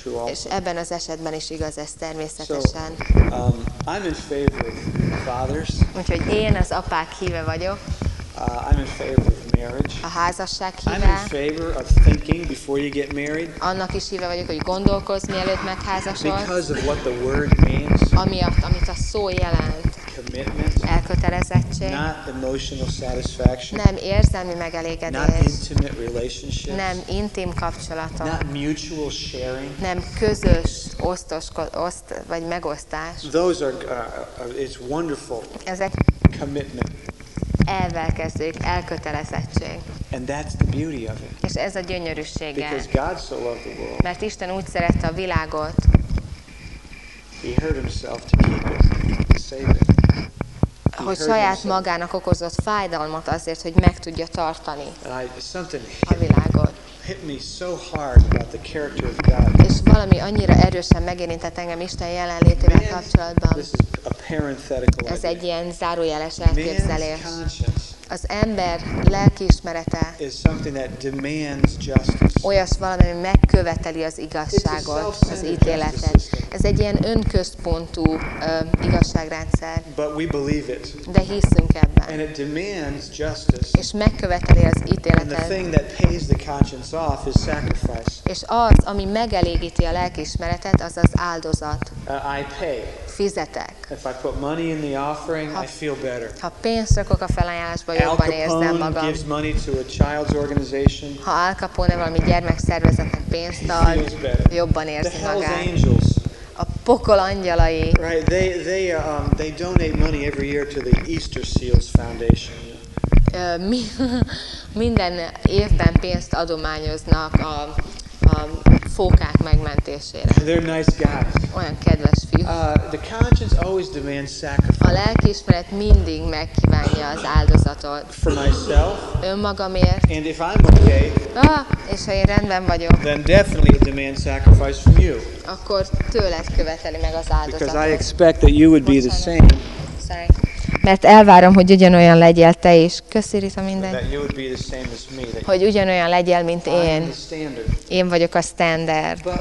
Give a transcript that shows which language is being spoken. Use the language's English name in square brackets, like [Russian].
[Hungarian] És ebben az esetben is igaz ez természetesen. [English] I'm in favor of fathers. [Hungarian] Úgyhogy én az apák híve vagyok. [English] I'm in favor of marriage. [Hungarian] A házasság híve. [English] I'm in favor of thinking before you get married. [Hungarian] Annak is híve vagyok, hogy gondolkozz, mielőtt megházasodsz. [English] Because of what the word means. [Hungarian] Amiatt, amit a szó jelent. [English] Commitment. [Hungarian] Elkötelezettség. [English] Not emotional satisfaction. [Hungarian] Nem érzelmi megelégedés. [English] Not intimate relationships. [Hungarian] Nem intim kapcsolatok. [English] Not mutual sharing. [Hungarian] Nem közös vagy megosztás. [English] Those are it's wonderful. [Hungarian] Ezek [English] commitment. [Hungarian] Elvelkezők, elkötelezettség. [English] And that's the beauty of it. [Hungarian] És ez a gyönyörűsége. [English] Because God so loved the world. [Hungarian] Mert Isten úgy szerette a világot. [English] He hurt himself to keep it, to save it. [Hungarian] Hogy saját magának okozott fájdalmat azért, hogy meg tudja tartani a világot. [English] Hit me so hard about the character of God. [Hungarian] És valami annyira erősen megérintett engem Isten jelenlétével kapcsolatban. [English] This is a parenthetical [Hungarian] idea. Ez egy ilyen zárójeles elképzelés. Az ember lelkiismerete [English] is something that demands justice. [Hungarian] Olyas valami, ami megköveteli az igazságot, az ítéletet. Ez egy ilyen önközpontú igazságrendszer. [English] But we believe it. [Hungarian] De hiszünk ebben. [English] And it demands justice. [Hungarian] És megköveteli az ítéletet. [English] And the thing that pays the conscience off is sacrifice. [Hungarian] És az, ami megelégíti a lelkiismeretet, az az áldozat. [English] I pay. [Hungarian] Fizetek. [English] If I put money in the offering, I feel better. [Hungarian] Ha pénzt rakok a felajánlásba, jobban érzem magam. [English] Al Capone gives money to a child's organization. [Hungarian] Ha Al Capone valami gyermekszervezetnek pénzt ad, jobban érzi magát. A pokol angyalai. [English] Right, they donate money every year to the Easter Seals Foundation. [Hungarian] Minden évben pénzt adományoznak a fókák megmentésére. [English] They're nice guys. [Hungarian] Olyan kedves fiúk. [English] The conscience always demands sacrifice. [Hungarian] A lelkiismeret mindig megkívánja az áldozatot. [English] For myself. [Hungarian] Önmagamért. [English] And if I'm okay. [Hungarian] És ha én rendben vagyok. [English] Then definitely it demands sacrifice from you. [Hungarian] Akkor tőled követeli meg az áldozatot. [English] Because I expect that you would be the same. Sorry. [Hungarian] Mert elvárom, hogy ugyanolyan legyél te is. Köszi, Rita, minden. Hogy ugyanolyan legyél, mint én. Én vagyok a standard.